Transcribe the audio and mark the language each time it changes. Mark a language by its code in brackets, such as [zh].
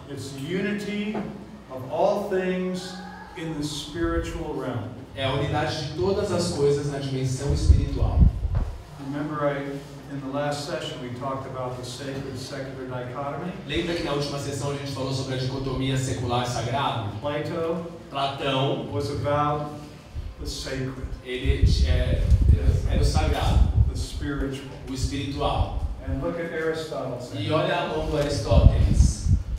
[en] it's unity of all things in the spiritual realm. [pt] é a unidade de todas as coisas na dimensão espiritual. [en] Remember I, in the last session we talked about the sacred secular dichotomy? [pt] Lembra que na última sessão a gente falou sobre a dicotomia secular e sagrado? [en] Plato, [pt] Platão, [en] was about the sacred. [pt] Ele era o sagrado, [en] the spiritual, [pt] o espiritual. [en] And look at Aristotle. [pt] E olha a mão do Aristóteles.